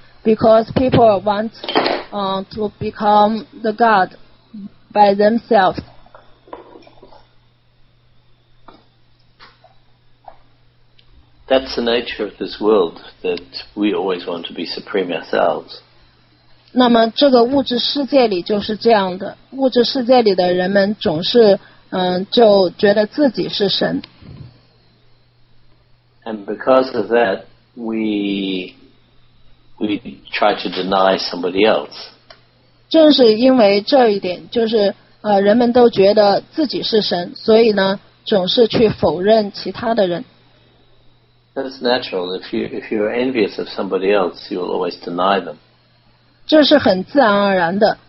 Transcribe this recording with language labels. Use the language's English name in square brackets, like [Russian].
[English] Because people want to become the God by themselves. That's the nature of this world, that we always want to be supreme ourselves. [Chinese] 那么这个物质世界里就是这样的，物质世界里的人们总是就觉得自己是神。 [English] And because of that, we try to deny somebody else. [Chinese] 正是因为这一点，就是人们都觉得自己是神，所以呢，总是去否认其他的人。 [English] That's natural. If you're envious of somebody else, you'll always deny them. [Chinese] 这是很自然而然的。